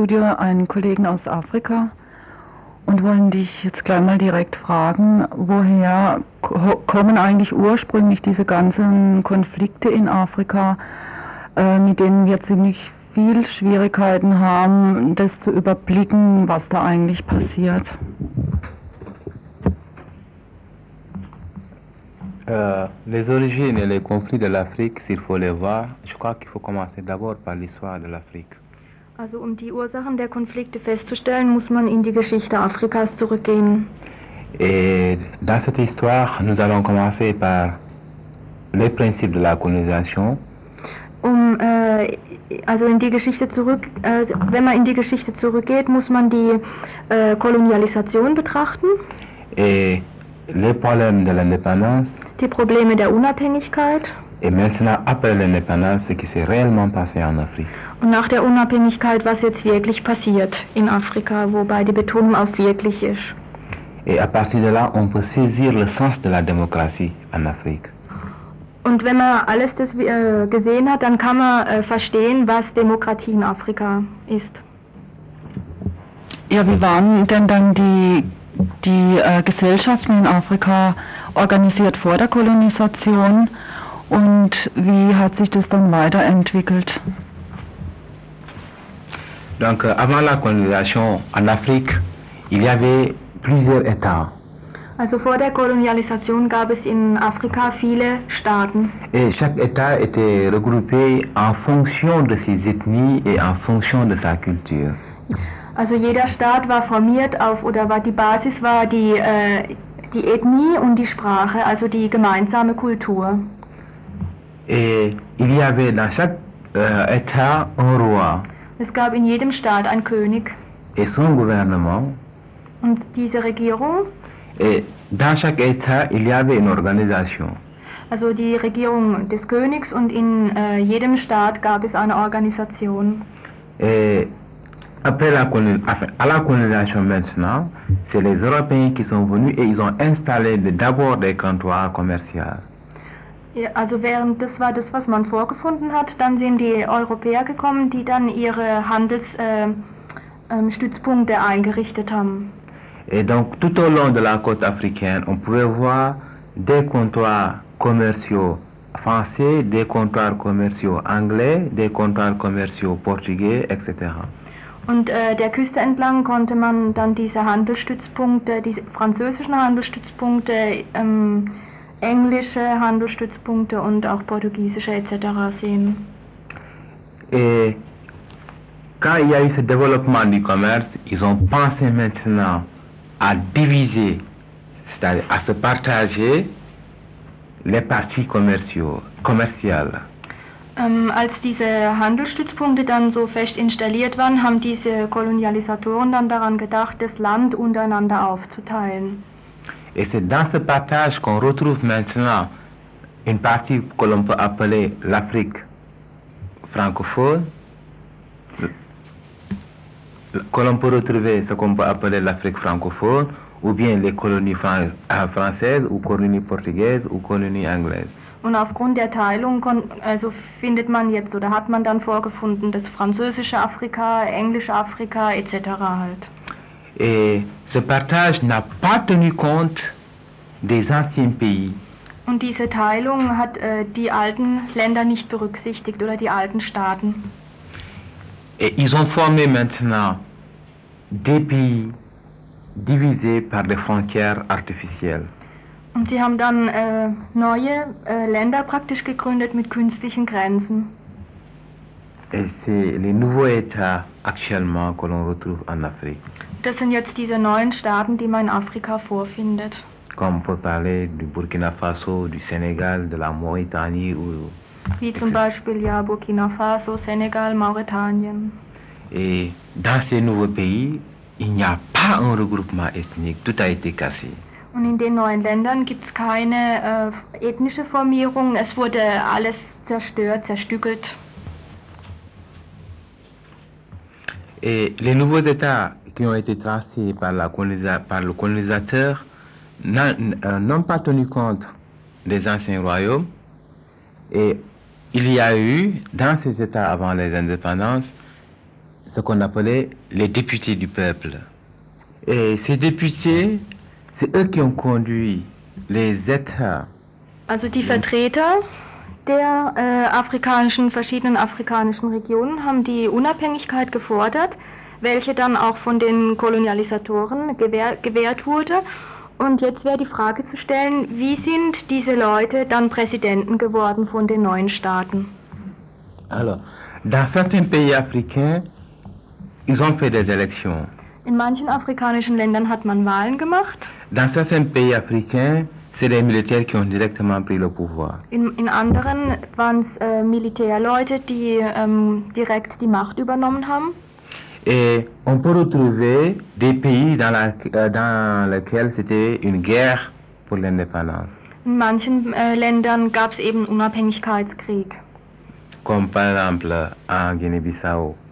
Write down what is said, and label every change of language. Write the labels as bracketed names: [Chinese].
[German] Du dir einen Kollegen aus Afrika und wollen dich jetzt gleich mal direkt fragen, woher kommen eigentlich ursprünglich diese ganzen Konflikte in Afrika, mit denen wir ziemlich viel Schwierigkeiten haben, das zu überblicken, was da eigentlich passiert? [French] Les origines et les conflits de l'Afrique, s'il faut les voir, je crois qu'il faut commencer d'abord par l'histoire de l'Afrique. [German] Also um die Ursachen der Konflikte festzustellen, muss man in die Geschichte Afrikas zurückgehen. [French] Et dans cette histoire, nous allons commencer par les principes de la colonisation. [German] Also in die Geschichte wenn man in die Geschichte zurückgeht, muss man die Kolonialisation betrachten. [French] Et les problèmes de l'indépendance. [German] Die Probleme der Unabhängigkeit. [French] Et maintenant, après l'indépendance, ce qui s'est réellement passé en Afrique. [German] Und nach der Unabhängigkeit, was jetzt wirklich passiert in Afrika, wobei die Betonung auf wirklich ist. [French] Et à partir de là, on peut saisir le sens de la démocratie en Afrique. [German] Und wenn man alles das gesehen hat, dann kann man verstehen, was Demokratie in Afrika ist. Ja, wie waren denn dann die Gesellschaften in Afrika organisiert vor der Kolonisation und wie hat sich das dann weiterentwickelt? [French] Donc, avant la colonisation en Afrique, il y avait plusieurs États. [German] Also vor der Kolonialisation gab es in Afrika viele Staaten. [French] Et chaque État était regroupé en fonction de ses ethnies et en fonction de sa culture. [German] Also jeder Staat war formiert auf, oder war die Basis war die Ethnie und die Sprache, also die gemeinsame Kultur. [French] Et il y avait dans chaque État un roi. [German] Es gab in jedem Staat einen König [French] Et son gouvernement. [German] und diese Regierung. [French] Et dans chaque État, il y avait une organisation. [German] Also die Regierung des Königs und in jedem Staat gab es eine Organisation. [French] Et après la colonisation, enfin, à la colonisation maintenant, c'est les Européens qui sont venus et ils ont installé d'abord des comptoirs commerciaux. [German] Ja, also während das war das, was man vorgefunden hat, dann sind die Europäer gekommen, die dann ihre Handelsstützpunkte eingerichtet haben. [French] Et donc, tout au long de la côte africaine, on pouvait voir des comptoirs commerciaux français, des comptoirs commerciaux anglais, des comptoirs commerciaux portugais, etc. [German] Und der Küste entlang konnte man dann diese Handelsstützpunkte, diese französischen Handelsstützpunkte, englische Handelsstützpunkte und auch portugiesische etc. sehen. [French] Et quand il y a eu ce développement du commerce, ils ont pensé maintenant à diviser, c'est-à-dire à se partager les parties commerciales. [German] Als diese Handelsstützpunkte dann so fest installiert waren, haben diese Kolonialisatoren dann daran gedacht, das Land untereinander aufzuteilen. [French] Et c'est dans ce partage qu'on retrouve maintenant une partie que l'on peut appeler l'Afrique francophone, que l'on peut retrouver ce qu'on peut appeler l'Afrique francophone, ou bien les colonies françaises, ou colonies portugaises, ou colonies anglaises. [German] Und aufgrund der Teilung also findet man jetzt oder hat man dann vorgefunden, das französische Afrika, englische Afrika etc. halt. [French] Et ce partage n'a pas tenu compte des anciens pays. [German] Und diese Teilung hat die alten Länder nicht berücksichtigt oder die alten Staaten. [French] Et ils ont formé maintenant des pays divisés par des frontières artificielles. [German] Und sie haben dann neue Länder praktisch gegründet mit künstlichen Grenzen. [French] Et c'est les nouveaux États actuellement que l'on retrouve en Afrique. [German] Das sind jetzt diese neuen Staaten, die man in Afrika vorfindet. [French] Comme on peut parler du Burkina Faso, du Sénégal, de la Mauritanie ou [German] Wie zum Beispiel ja Burkina Faso, Senegal, Mauretanien. [French] Et dans ces nouveaux pays, il n'y a pas un regroupement ethnique, tout a été cassé. [German] Und in den neuen Ländern gibt es keine ethnische Formierung, es wurde alles zerstört, zerstückelt. [French] Et les nouveaux États qui ont été tracés par le colonisateur n'ont pas tenu compte des anciens royaumes. Et il y a eu, dans ces États avant les indépendances, ce qu'on appelait les députés du peuple. Et ces députés, c'est eux qui ont conduit les États. [German] Also die Vertreter der afrikanischen, verschiedenen afrikanischen Regionen haben die Unabhängigkeit gefordert, welche dann auch von den Kolonialisatoren gewährt wurde. Und jetzt wäre die Frage zu stellen, wie sind diese Leute dann Präsidenten geworden von den neuen Staaten? [French] Alors, dans certains pays africains, ils ont fait des élections. [German] In manchen afrikanischen Ländern hat man Wahlen gemacht. [French] Dans certains pays africains, c'est les militaires qui ont directement pris le pouvoir. [German] In anderen waren es Militärleute, die direkt die Macht übernommen haben. [French] Et on peut retrouver des pays dans, la, dans lesquels c'était une guerre pour l'indépendance. [German] In manchen Ländern gab es eben Unabhängigkeitskrieg. [French] Comme par exemple en Guinée-Bissau.